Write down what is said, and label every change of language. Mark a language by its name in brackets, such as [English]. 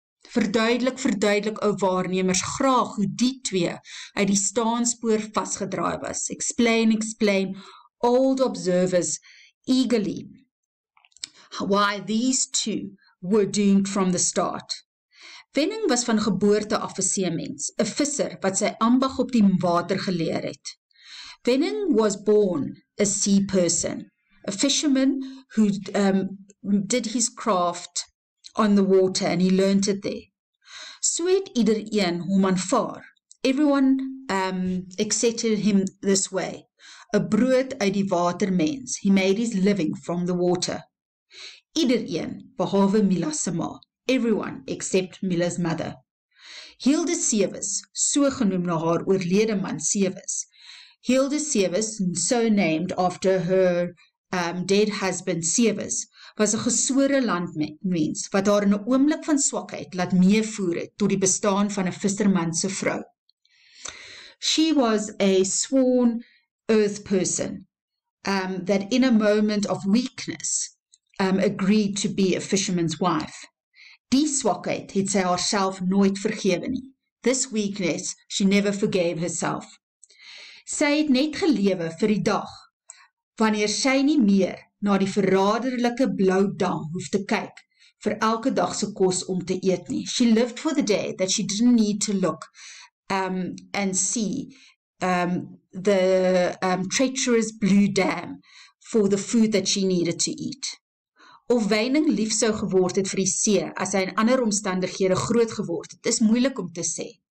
[Afrikaans] Verduidelik, ou waarnemers, graag hoe die twee uit die staanspoor vasgedraai was. [English] Explain, old observers, eagerly, why these two were doomed from the start. [Afrikaans] Wenning was van geboorte af 'n seemens, 'n visser wat sy ambag op die water geleer het. [English] Wenning was born a sea person, a fisherman who did his craft on the water and he learnt it there. [Afrikaans] So het iedereen hom aanvaar. [English] Everyone accepted him this way, a [Afrikaans] brood uit die water mens. [English] He made his living from the water. [Afrikaans] Iedereen, behalwe Mila se ma, [English] everyone except Mila's mother. [Afrikaans] Hilde Sewes, so genoem na haar oorlede man Sewes. Hilde Sewes, [English] so named after her dead husband Sewes, [Afrikaans] was 'n gesore landmens wat haar in 'n oomblik van swakheid laat meevoer het tot die bestaan van 'n visserman se vrou. [English] She was a sworn earth person that in a moment of weakness agreed to be a fisherman's wife. [Afrikaans] Die swakheid het sy haarself nooit vergewe nie. [English] This weakness she never forgave herself. [Afrikaans] Sy het net gelewe vir die dag wanneer sy nie meer na die verraderlike blou dam hoef te kyk vir elke dag se kos om te eet nie. [English] She lived for the day that she didn't need to look and see the treacherous blue dam for the food that she needed to eat. [Afrikaans] Of Wenning lief sou geword het vir die see as hy in ander omstandighede groot geword het, is moeilik om te sê.